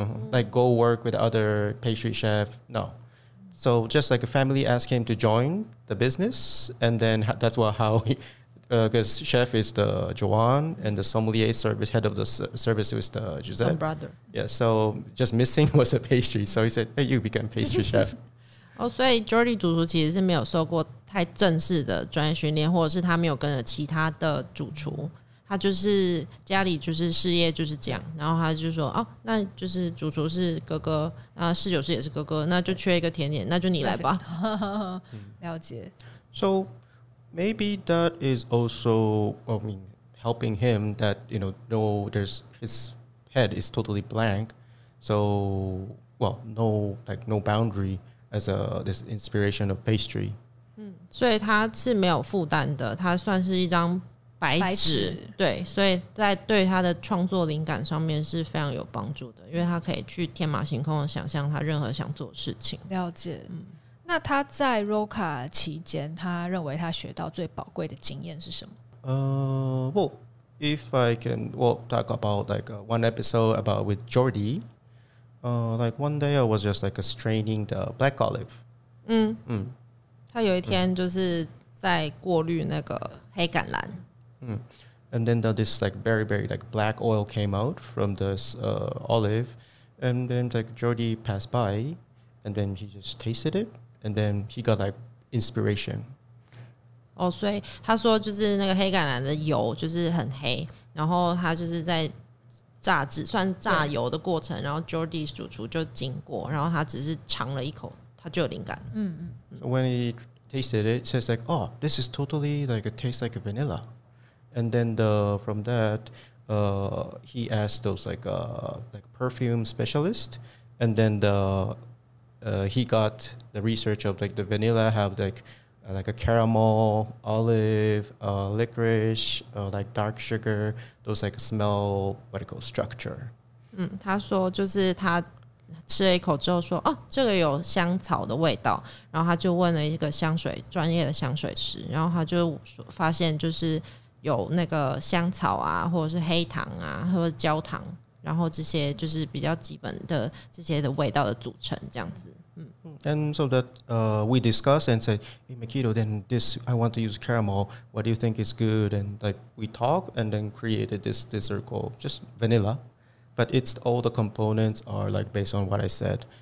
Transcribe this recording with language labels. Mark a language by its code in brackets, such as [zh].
[en] Like go work with other pastry chef, no. So just like a family asked him to join the business, and then that's how he... Because chef is the Joan and the sommelier service, head of the service was the Giuseppe. My brother. Yeah, so just missing was a pastry. So he said, hey, you become pastry chef. [zh] 哦，所以 Jordi 主厨其实是没有受过太正式的专业训练，或者是他没有跟着其他的主厨，他就是家里就是事业就是这样，然后他就说，哦，那就是主厨是哥哥，那侍酒师也是哥哥，那就缺一个甜点，那就你来吧。了解。 [en] So,Maybe that is also, I mean, helping him that, you know, no, there's, his head is totally blank. So, well, no, like no boundary as a, this inspiration of pastry. [zh] 所以他是没有负担的，他算是一张白纸。对，所以在对他的创作灵感上面是非常有帮助的，因为他可以去天马行空的想象他任何想做的事情。了解。那他在 Roca 期间，他认为他学到最宝贵的经验是什么？ [en] Talk about like one episode about with Jordi, like one day I was just like straining the black olive. [zh] 他有一天就是在过滤那个黑橄榄。 [en] And then this like very very like black oil came out from this olive, and then like Jordi passed by, and then he just tasted it. And then he got like inspiration. Oh, so he said, [zh] 就是那个黑橄榄的油就是很黑，然后他就是在榨汁，算榨油的过程。然后 Jordi 主厨就经过，然后他只是尝了一口，他就有灵感。 [en] So when he tasted it, says like, "Oh, this is totally like it tastes like a vanilla." And then he asked those like perfume specialist, and then he got the research of like the vanilla have like a caramel, olive, licorice, like dark sugar, those like smell, what it called, structure. [zh] 他说就是他吃了一口之后说，哦，这个有香草的味道，然后他就问了一个香水，专业的香水师，然后他就发现就是有那个香草啊，或者是黑糖啊，或者焦糖。然后这些就是比较基本的这些的味道的组成这样子。 [en] And so that we discuss and say, hey, Makito, then this, I want to use caramel. What do you think is good? And like we talk and then created this dessert called just vanilla. But it's all the components are like based on what I said.